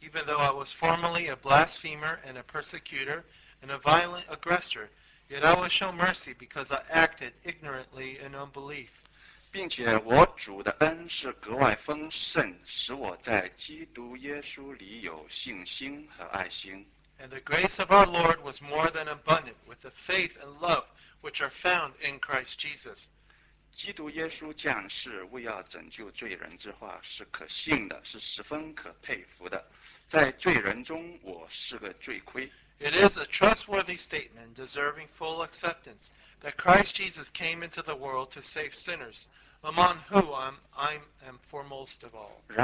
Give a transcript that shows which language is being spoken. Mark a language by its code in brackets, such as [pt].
[en] Even though I was formerly a blasphemer and a persecutor and a violent aggressor, yet I was shown mercy because I acted ignorantly in unbelief. [zh] 并且我主的恩是格外丰盛，使我在基督耶稣里有信心和爱心。 [en] And the grace of our Lord was more than abundant with the faith and love which are found in Christ Jesus. [zh] 基督耶稣降世为要拯救罪人之话是可信的，是十分可佩服的。在罪人中我是个罪魁。 [en] It is a trustworthy statement deserving full acceptance that Christ Jesus came into the world to save sinners, among whom I am foremost of all.